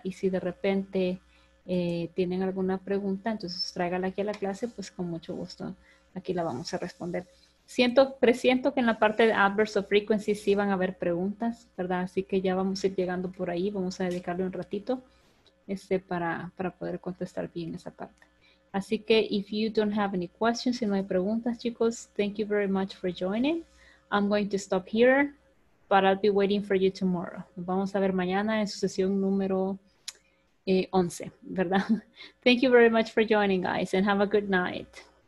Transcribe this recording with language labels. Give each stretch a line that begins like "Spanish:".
Spanish: Y si de repente tienen alguna pregunta, entonces tráiganla aquí a la clase, pues con mucho gusto aquí la vamos a responder. siento, presiento que en la parte de adverbs of frequency sí van a haber preguntas, ¿verdad? Así que ya vamos a ir llegando por ahí, vamos a dedicarle un ratito para poder contestar bien esa parte. Así que
English: if you don't have any questions,
Spanish: si no hay preguntas, chicos,
English: thank you very much for joining. I'm going to stop here, but I'll be waiting for you tomorrow.
Spanish: Vamos a ver mañana en su sesión número 11, ¿verdad?
English: Thank you very much for joining, guys, and have a good night.